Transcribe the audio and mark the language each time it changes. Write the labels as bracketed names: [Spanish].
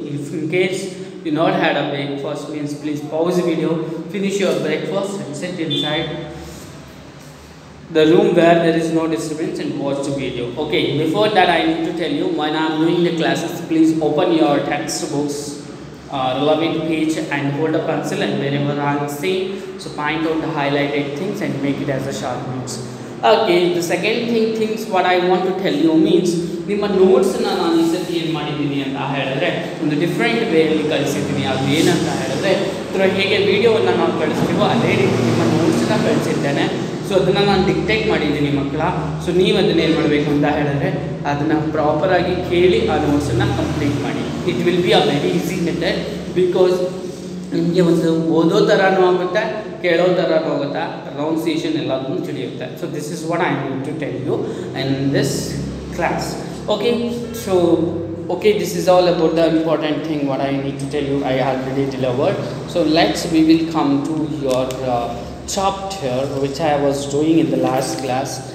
[English] If in case you not had a breakfast, means please pause the video, finish your breakfast and sit inside the room where there is no disturbance and watch the video. Okay, before that I need to tell you, when I am doing the classes, please open your textbooks, relevant page, and hold a pencil, and wherever I see, so find out the highlighted things and make it as a sharp notes. Okay, the second thing, things what I want to tell you, means [Kannada] ನಿಮ್ಮ ನೋಟ್ಸ್ನ ನಾನು ಈಸರಿ ಏನು ಮಾಡಿದ್ದೀನಿ ಅಂತ ಹೇಳಿದ್ರೆ, ಒಂದು different ವೇಯಲ್ಲಿ ಕಳಿಸಿದ್ದೀನಿ. ಅದು ಏನಂತ ಹೇಳಿದ್ರೆ, ಇದರ ಹೇಗೆ ವೀಡಿಯೋವನ್ನು ನಾನು ಕಳಿಸ್ತೀವೋ ಅದೇ ರೀತಿ ನಿಮ್ಮ ನೋಟ್ಸ್ನ ಕಳಿಸಿದ್ದೇನೆ. ಸೊ ಅದನ್ನು ನಾನು ಡಿಕ್ಟೇಟ್ ಮಾಡಿದ್ದೀನಿ ಮಕ್ಕಳ. ಸೊ ನೀವು ಅದನ್ನು ಏನು ಮಾಡಬೇಕು ಅಂತ ಹೇಳಿದ್ರೆ, ಅದನ್ನು ಪ್ರಾಪರಾಗಿ ಕೇಳಿ ಆ ನೋಟ್ಸನ್ನು ಕಂಪ್ಲೀಟ್ ಮಾಡಿ. [English] it will be a very easy method, [Kannada] because ನಿಮಗೆ ಒಂದು ಓದೋ ಥರನೂ ಆಗುತ್ತೆ, ಕೇಳೋ ಥರನೂ ಆಗುತ್ತೆ, ಪ್ರೊನೌನ್ಸಿಯೇಷನ್ ಎಲ್ಲದನ್ನು ತಿಳಿಯುತ್ತೆ. [English] So this is what I am going to tell you in this class. Okay, so okay, this is all about the important thing what I need to tell you. I already delivered. So let's, we will come to your chapter which I was doing in the last class.